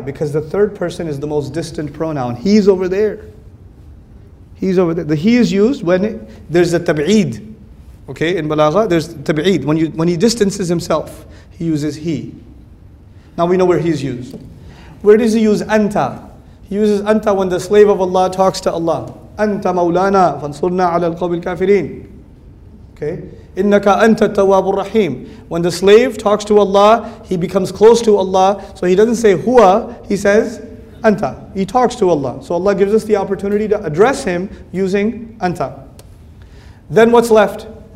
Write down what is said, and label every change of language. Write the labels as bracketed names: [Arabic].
[English] Because the third person is the most distant pronoun. He's over there. He's over there. The he is used when there's a tab'id. Okay, in balagha, there's tab'id. When he distances himself, he uses he. Now we know where he's used. Where does he use anta? He uses anta when the slave of Allah talks to Allah. [Arabic] أنت مولانا فانصرنا على القوم الكافرين. Okay. إنك أنت التواب الرحيم. [English] When the slave talks to Allah, he becomes close to Allah. So he doesn't say هو, he says أنت. He talks to Allah. So Allah gives us the opportunity to address him using أنت. Then what's left?